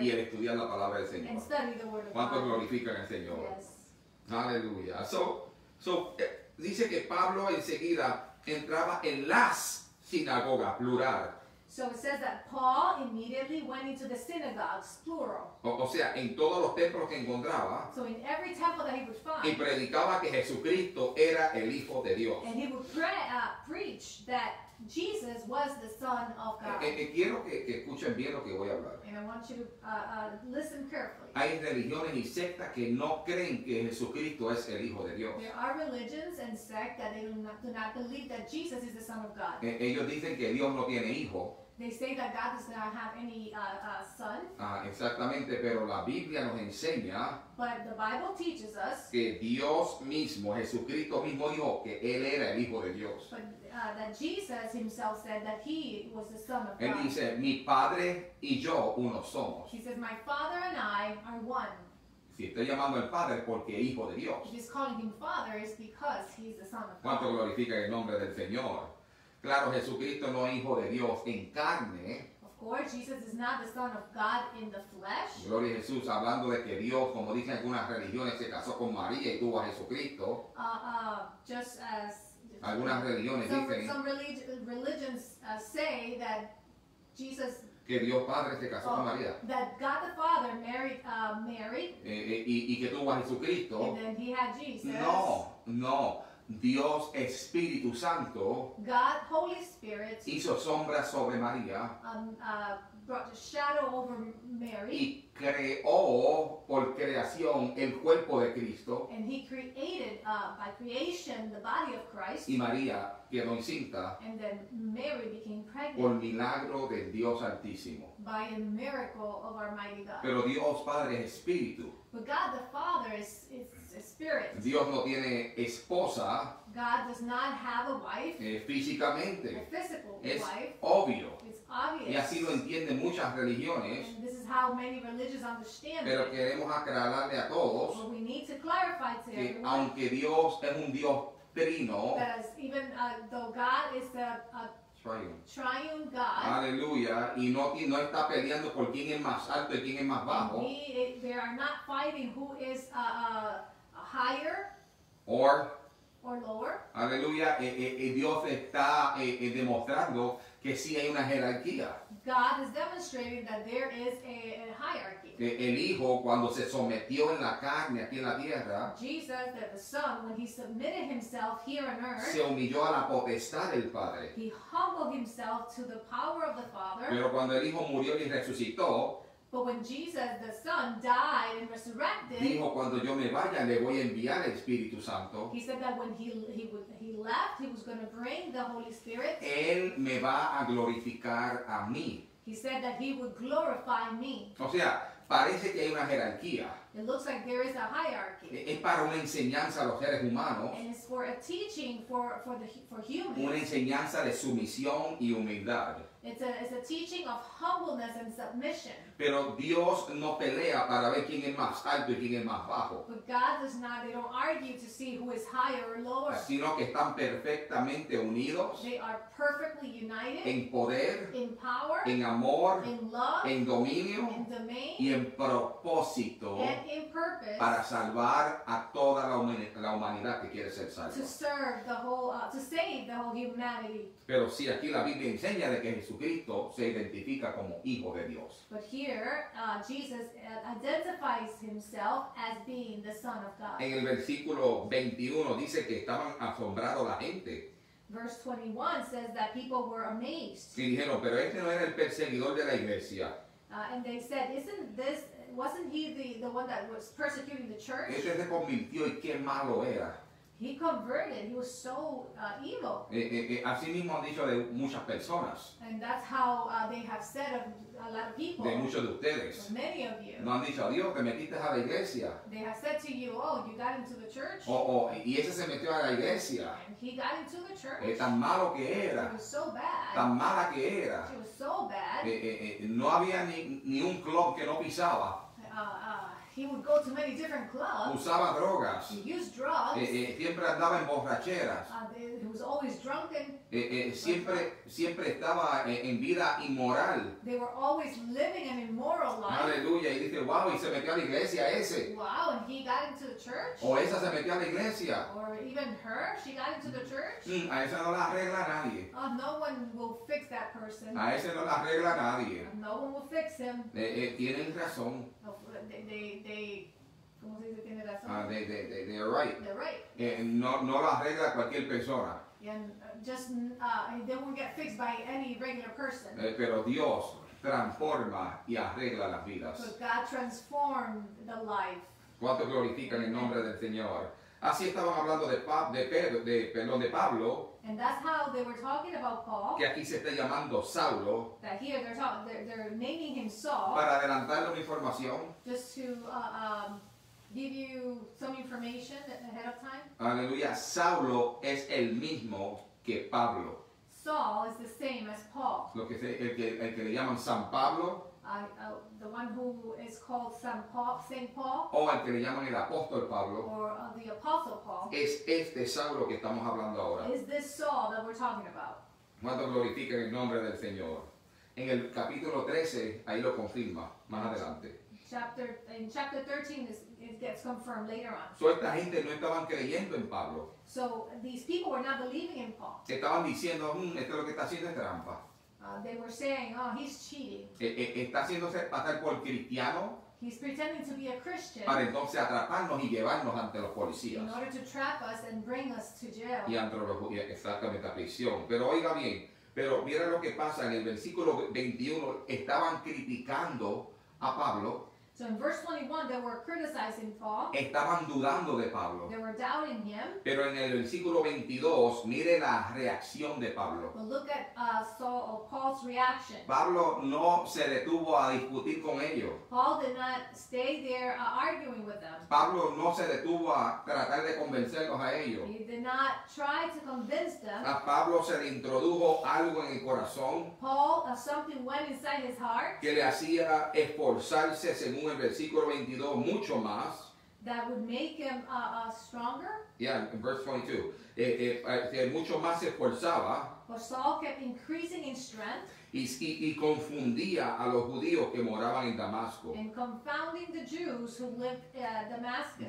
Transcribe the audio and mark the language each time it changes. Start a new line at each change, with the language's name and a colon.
Spanish: Y el estudiar la palabra del Señor.
English: And study the word of God.
Spanish: ¿Cuántos glorifican al Señor?
English: Yes.
Spanish: Aleluya. So dice que Pablo enseguida entraba en las sinagogas, plural.
English: So it says that Paul immediately went into the synagogues, plural.
Spanish: O sea, en todos los templos que encontraba.
English: So in every temple that he would find.
Spanish: Y predicaba que Jesucristo era el Hijo de Dios.
English: And he would preach that Jesus was the Son of God.
Spanish: Quiero que escuchen bien lo que voy a hablar.
English: And I want you to listen carefully.
Spanish: Hay religiones y sectas que no creen que Jesucristo es el Hijo de Dios.
English: There are religions and sects that they do not believe that Jesus is the Son of God.
Spanish: Ellos dicen que Dios no tiene hijo.
English: They say that God does not have any son.
Spanish: Exactamente, pero la Biblia nos enseña.
English: But the Bible teaches us.
Spanish: Que Dios mismo, Jesucristo mismo dijo que Él era el Hijo de Dios.
English: That Jesus himself said that he was the Son of God.
Spanish: Él dice, mi padre y yo uno somos.
English: He says, my father and I are one.
Spanish: Si está llamando al padre porque es hijo de Dios.
English: If he's calling him father, it's because he's the Son of God.
Spanish: ¿Cuánto glorifica el nombre del Señor? Claro, Jesucristo no es hijo de Dios en carne.
English: Of course, Jesus is not the Son of God in the flesh.
Spanish: Gloria a Jesús, hablando de que Dios, como dicen algunas religiones, se casó con María y tuvo a Jesucristo.
English: Just as
Spanish: algunas religiones dicen,
English: some religions say that Jesus,
Spanish: que Dios Padre se casó con María,
English: that God the Father married Mary,
Spanish: y que tuvo a Jesucristo,
English: and then he had Jesus.
Spanish: No, Dios Espíritu Santo,
English: God Holy Spirit,
Spanish: hizo sombra sobre María,
English: brought a shadow over Mary,
Spanish: y creó por creación el cuerpo de Cristo,
English: and he created by creation the body of Christ,
Spanish: y María quedó encinta,
English: and then Mary became pregnant,
Spanish: por milagro del Dios Altísimo,
English: by a miracle of our mighty God.
Spanish: Pero Dios Padre es Espíritu.
English: But God the Father is a spirit.
Spanish: Dios no tiene esposa.
English: God does not have a wife.
Spanish: Físicamente.
English: A physical
Spanish: es
English: wife.
Spanish: Obvio.
English: It's obvious.
Spanish: Y así lo entienden muchas religiones.
English: And this is how many religions understand.
Spanish: Pero queremos aclararle a todos.
English: But we need to clarify to everyone.
Spanish: Aunque Dios es un Dios trino.
English: That even though God is the Triune God.
Spanish: Aleluya. Y no está peleando por quién es más alto y quién es más bajo.
English: They are not fighting who is higher. Or lower.
Spanish: Aleluya. Dios está demostrando que sí hay una jerarquía.
English: God is demonstrating that there is a hierarchy.
Spanish: El Hijo, cuando se sometió en la carne aquí en la tierra,
English: Jesus, that the Son, when he submitted himself here on earth,
Spanish: se humilló a la potestad del Padre.
English: He humbled himself to the power of the Father.
Spanish: Pero cuando el Hijo murió y resucitó,
English: but when Jesus, the Son, died and resurrected,
Spanish: dijo, cuando yo me vaya, le voy a enviar el Espíritu Santo.
English: He said that when he left, he was going to bring the Holy Spirit.
Spanish: Él me va a glorificar a mí.
English: He said that he would glorify me.
Spanish: O sea, parece que hay una jerarquía.
English: It looks like there is a hierarchy.
Spanish: Es para una enseñanza a los seres humanos.
English: And it's for a teaching for humans.
Spanish: Una enseñanza de sumisión y humildad.
English: It's a teaching of humbleness and submission.
Spanish: Pero Dios no pelea para ver quién es más alto y quién es más bajo.
English: But God does not, they don't argue to see who is higher or lower.
Spanish: Sino que están perfectamente unidos.
English: They are perfectly united.
Spanish: En poder.
English: In power.
Spanish: En amor.
English: In love.
Spanish: En dominio.
English: In domain.
Spanish: Y en propósito.
English: And in purpose.
Spanish: Para salvar a toda la humanidad que quiere ser salva.
English: To serve the whole, to save the whole humanity.
Spanish: Pero sí, aquí la Biblia enseña de que Jesucristo se identifica como Hijo de Dios.
English: But here, Jesus identifies himself as being the Son of God.
Spanish: En el versículo 21 dice que estaban asombrados la gente.
English: Verse 21 says that people were amazed.
Spanish: Y dijeron, pero este no era el perseguidor de la iglesia.
English: And they said, wasn't he the one that was persecuting the church?
Spanish: Este se convirtió y qué malo era.
English: He converted. He was so evil.
Spanish: Así mismo han dicho de muchas personas.
English: And that's how they have said of a lot of people.
Spanish: De muchos de ustedes.
English: Many of you.
Spanish: No han dicho a Dios que metiste a la iglesia.
English: They have said to you, oh, you got into the church.
Spanish: Y ese se metió a la iglesia.
English: And he got into the church.
Spanish: Tan malo que era.
English: He was so bad.
Spanish: Tan mala que era.
English: She was so bad.
Spanish: No había ni un club que no pisaba.
English: He would go to many different clubs.
Spanish: Usaba drogas.
English: He used drugs.
Spanish: Siempre andaba en borracheras.
English: He was always drunken.
Spanish: Siempre estaba en vida inmoral.
English: They were always living an immoral life.
Spanish: Aleluya. Y dice, wow, y se metió a la iglesia ese.
English: Wow, and he got into the church.
Spanish: O esa se metió a la iglesia.
English: Or even her, she got into the church.
Spanish: A esa no la arregla nadie.
English: No one will fix that person.
Spanish: A ese no la arregla nadie.
English: No one will fix him.
Spanish: Tienen razón.
English: They're right. They're right.
Spanish: No lo arregla cualquier persona.
English: They won't get fixed by any regular person.
Spanish: Pero Dios transforma y arregla las vidas.
English: But God transformed the life.
Spanish: ¿Cuánto glorifican el nombre del Señor? Así estaban hablando de Pablo.
English: And that's how they were talking about Paul.
Spanish: Que aquí se está llamando Saulo.
English: That here they're naming him Saul.
Spanish: Para adelantar la información.
English: Just to give you some information ahead of time.
Spanish: Aleluya. Saulo es el mismo que Pablo.
English: Saul is the same as Paul.
Spanish: Lo que es el que le llaman San Pablo.
English: The one who is called San Paul, Saint Paul.
Spanish: O al que le llaman el apóstol Pablo.
English: Or the apostle Paul.
Spanish: Es este Saulo que estamos hablando ahora.
English: Is this Saul that we're talking about?
Spanish: ¿Cuánto glorifica el nombre del Señor? En el capítulo 13, ahí lo confirma, más adelante.
English: Chapter 13, it gets confirmed later on.
Spanish: So esta gente no estaban creyendo en Pablo.
English: So these people were not believing in Paul.
Spanish: Estaban diciendo, esto es lo que está haciendo es trampa.
English: They were saying, oh, he's cheating.
Spanish: Está haciéndose pasar por cristiano.
English: He's pretending to be a Christian.
Spanish: Para entonces atraparnos y llevarnos ante los policías.
English: In order to trap us and bring us to jail.
Spanish: Y antropología, exactamente, a prisión. Pero oiga bien, pero mira lo que pasa en el versículo 21. Estaban criticando a Pablo.
English: So in verse 21, they were criticizing Paul.
Spanish: Estaban dudando de Pablo.
English: They were doubting him.
Spanish: Pero en el versículo 22, mire la reacción de Pablo.
English: But look at Paul's reaction.
Spanish: Pablo no se detuvo a discutir con ellos.
English: Paul did not stay there arguing with them.
Spanish: Pablo no se detuvo a tratar de convencerlos a ellos.
English: He did not try to convince them.
Spanish: A Pablo se le introdujo algo en el corazón.
English: Paul, something went inside his heart.
Spanish: Que le hacía esforzarse según en el versículo 22 mucho más.
English: That would make him stronger. Yeah, in verse 22.
Spanish: Mucho más se esforzaba.
English: But Saul kept increasing in strength.
Spanish: Y confundía a los judíos que moraban en Damasco.
English: And confounding the Jews who lived at Damascus.